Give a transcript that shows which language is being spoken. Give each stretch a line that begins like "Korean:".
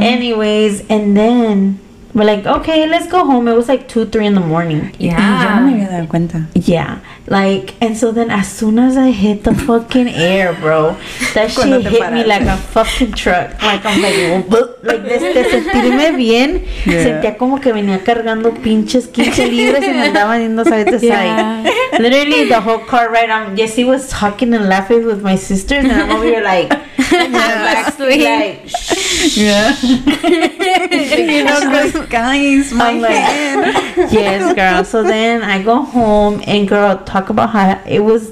English: Anyways, and then we're like, okay, let's go home. It was like 2-3 in the morning. Yeah. Like, and so then as soon as I hit the fucking air, bro, that shit hit me like a fucking truck. Like, I'm like,
Spanish: de sentirme bien.
English: Yeah.
Spanish: Sentía como que venía cargando pinches 15 libras y me andaba yendo, ¿sabes?
English: Literally, the whole car ride, Jessie was talking and laughing with my sisters, and I'm over here like, yes, girl. So then I go home and girl, talk about how it was.